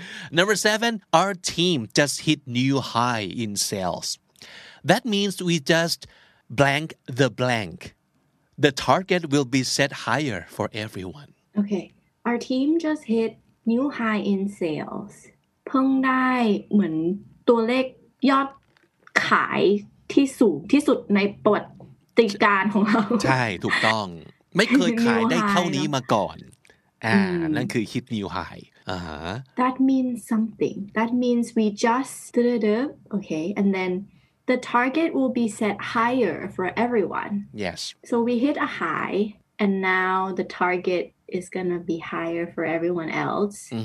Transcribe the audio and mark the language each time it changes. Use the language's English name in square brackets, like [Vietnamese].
[English] Number seven, our team just hit new high in sales. That means we just blank the blank. The target will be set higher for everyone. Okay, our team just hit new high in sales. [Thai] เพิ่งได้เหมือนตัวเลขยอดขายที่สูงที่สุดในประวัติการของเรา ใช่ถูกต้องไม่เคยขายได้เท่านี้มาก่อนนั่นคือ hit new high [English] That means something That means we just okay and then the target will be set higher for everyone Yes So we hit a high and now the target is gonna be higher for everyone else